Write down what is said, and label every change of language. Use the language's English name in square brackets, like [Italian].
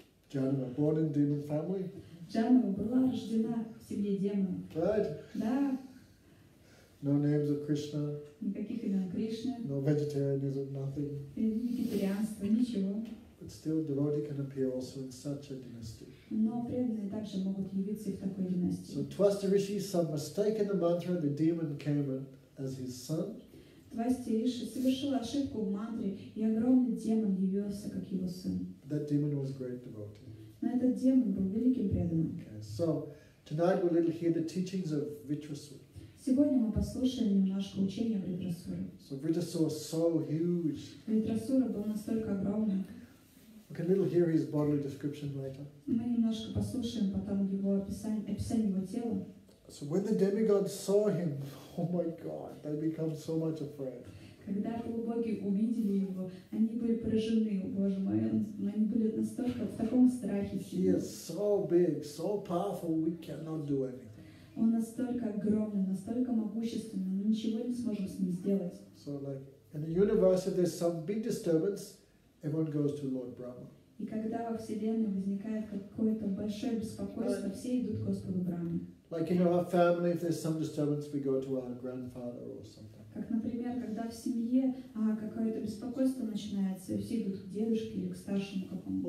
[English] Janava, born in demon family. [Russian] Janava была рождена в семье демонов. [English] Right? [Russian] Да. [English] No names of Krishna. [Russian] Никаких имен Кришны. [English] No vegetarianism, nothing. [Russian] Вегетарианство, ничего. [English] But still, devotee can appear also in such a dynasty. [Russian] Но преданные также могут явиться в такой династии. [English] So Twasti Rishi, some mistake in the mantra, the demon came as his son. [Russian] Твасти Риши совершил ошибку в мантре, и огромный демон явился как его сын. [English] That demon was a great devotee. [Russian] Но этот демон был великим преданным. [English] Okay. So tonight we'll little hear the teachings of Vritrasura. [Russian] Сегодня мы послушаем немножко учения Вритрасуры. [English] So Vritrasura was so huge. [Russian] Вритрасура был настолько огромным. [English] We can little hear his bodily description later. [Russian] Мы немножко послушаем потом его описание его тела. [English] So when the demigods saw him, oh my God, they become so much afraid. [Russian] Когда полубоги увидели его, они были поражены, Боже мой, они были настолько в таком страхе. [English] He is so big, so powerful, we cannot do anything. [Russian] Он настолько огромный, настолько могущественный, мы ничего не сможем с ним сделать. [English] So like in the universe, if there's some big disturbance, everyone goes to Lord Brahma. [Russian] И когда во вселенной возникает какое-то большое беспокойство, все идут к Господу Брахме. [English] Like in our family, if there's some disturbance, we go to our grandfather or something. [Russian] Как, например, когда в семье какое-то беспокойство начинается, и все идут к дедушке или к старшему какому-то.